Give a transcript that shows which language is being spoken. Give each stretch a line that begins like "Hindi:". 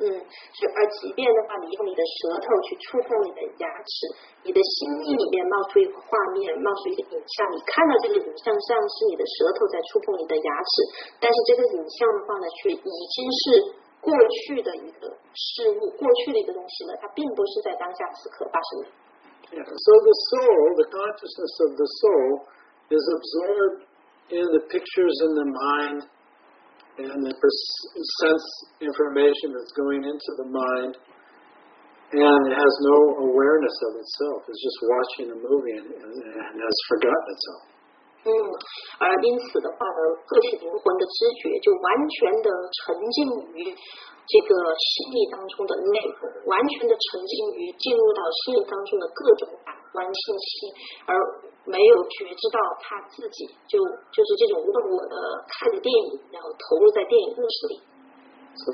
Chinese: 而即便的话，你用你的舌头去触碰你的牙齿，你的心意里面冒出一个画面，冒出一个影像。你看到这个影像，像是你的舌头在触碰你的牙齿，但是这个影像的话呢，却已经是过去的一个事物，过去的一个东西了。它并不是在当下此刻发生的。
English: Yeah. So the soul, the consciousness of the soul, is absorbed. In the pictures in the mind and the sense information that's going into the mind, and it has no awareness of itself. It's just watching a movie and has forgotten itself.
Chinese: 而因此的话呢，个体灵魂的知觉就完全的沉浸于这个心理当中的内容，完全的沉浸于进入到心理当中的各种感官信息，而没有觉知到他自己，就是这种忘我的看着电影，然后投入在电影故事里。
English: So